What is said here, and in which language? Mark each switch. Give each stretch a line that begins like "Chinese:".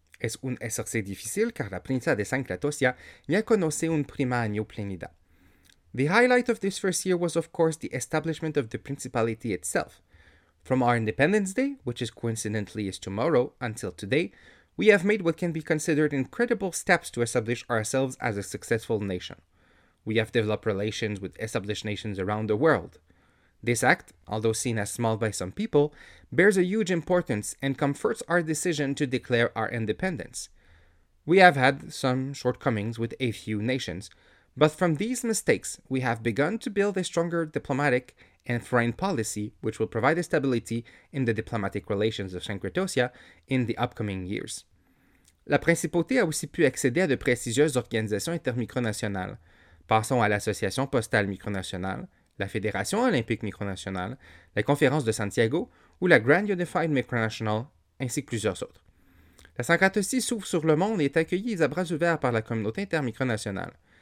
English: Es un esorce difícil car la princia de Sancratosia ya conoce un prima año plenida. The highlight of this first year was of course the establishment of the principality itself. From our Independence Day, which is coincidentally is tomorrow, until today, we have made what can be considered incredible steps to establish ourselves as a successful nation. We have developed relations with established nations around the world. This act, although seen as small by some people, bears a huge importance and comforts our decision to declare our independence. We have had some shortcomings with a few nations, but from these mistakes, we have begun to build a stronger diplomatic and foreign policy which will provide a stability in the diplomatic relations of Sancratosia in the upcoming years.
French: La Principauté a aussi pu accéder à de prestigieuses organisations intermicronationales. Passons à l'Association Postale Micronationale, la Fédération Olympique Micronationale, la Conférence de Santiago ou la Grand Unified Micronational, ainsi que plusieurs autres. La Sancratosie s'ouvre sur le monde et est accueillie à bras ouverts par la communauté intermicronationale.